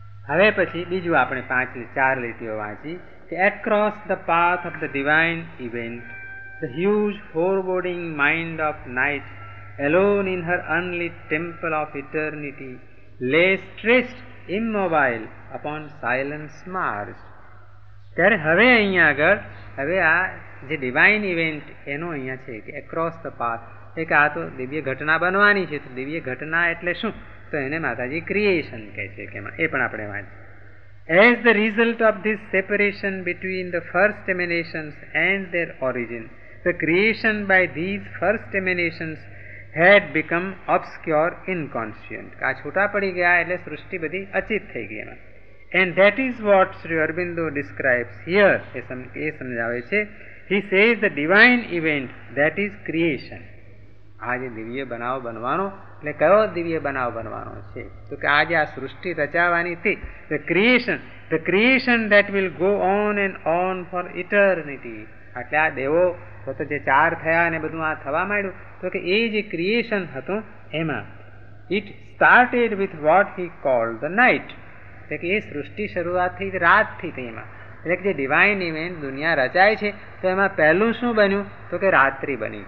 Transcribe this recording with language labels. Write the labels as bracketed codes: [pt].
[gu] હવે પછી બીજું આપણે પાંચ ચાર લીટીઓ વાંચી, કે [en] Across the path of the divine event the huge foreboding mind of night alone in her unlit temple of eternity lay stretched immobile upon silent mars. [gu] ત્યારે હવે અહીંયા આગળ હવે આ જે ડિવાઇન ઇવેન્ટ એનો અહીંયા છે કે એક્રોસ ધ પાથ, એક આ તો દિવ્ય ઘટના બનવાની છે, તો દિવ્ય ઘટના એટલે શું, તો એને માતાજી ક્રિએશન કહે છે, કે એમાં એ પણ આપણે વાંચીએ. [en] as the result of this separation between the first emanations and their origin, the creation by these first emanations had become obscure, inconscient. [gu] આ છૂટા પડી ગયા એટલે સૃષ્ટિ બધી અચિત થઈ ગઈ. [en] And that is what Sri Aurobindo describes here. [gu] એ સમજાવે છે. [en] He says the divine event, that is creation. [gu] આ જે દિવ્ય બનાવ બનવાનો એટલે કયો દિવ્ય બનાવ બનવાનો છે? તો કે આ જે આ સૃષ્ટિ રચાવાની હતી, [en] the creation that will go on and on for eternity. [gu] એટલે આ દેવો તો જે ચાર થયા અને બધું આ થવા માંડ્યું, તો કે એ જે ક્રિએશન હતું એમાં [en] It started with what he called the night. [gu] એટલે કે એ સૃષ્ટિ શરૂઆત થઈ રાતથી થઈ એમાં. એટલે કે જે ડિવાઇન ઇવેન્ટ દુનિયા રચાય છે તો એમાં પહેલું શું બન્યું? તો કે રાત્રિ બની.